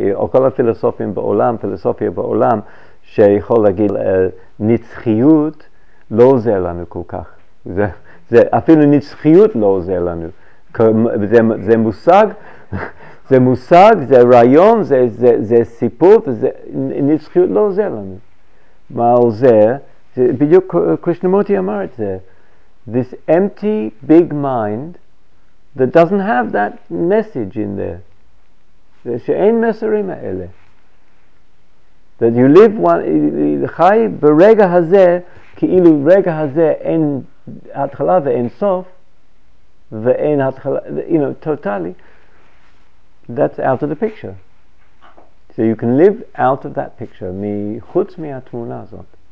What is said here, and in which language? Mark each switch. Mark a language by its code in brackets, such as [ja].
[he] או כל הפילוסופים בעולם, פילוסופיה בעולם, שיכול להגיד נצחיות לא עוזר לנו כל כך. אפילו נצחיות לא עוזר לנו. זה מושג, זה מושג, זה רעיון, זה סיפור, נצחיות לא עוזר לנו. מה עוזר? בדיוק קרישנמורטי אמר את זה. [en] This empty big mind that doesn't have that message in there. [he] שאין מסרים האלה. [en] That you live one, [he] חי ברגע הזה, כאילו רגע הזה אין התחלה ואין סוף, ואין התחלה, [en] you know, totally. That's out of the picture. So you can live out of that picture, [he] מחוץ מהתמונה הזאת.